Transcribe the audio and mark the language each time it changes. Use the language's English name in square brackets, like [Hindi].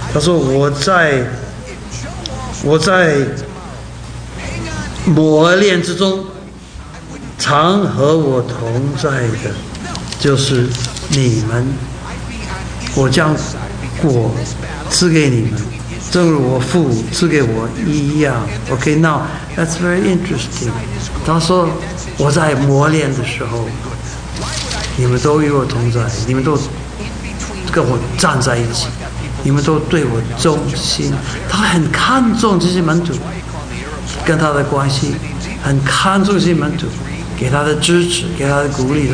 [Chinese] 他说我在磨练之中，常和我同在的，就是你们。我将果赐给你们，正如我父赐给我一样。 [English] Okay, now that's very interesting. [Chinese] 他说我在磨练的时候，你们都与我同在，你们都跟我站在一起，你们都对我忠心。他很看重这些门徒跟他的关系，很看重这些门徒给他的支持，给他的鼓励。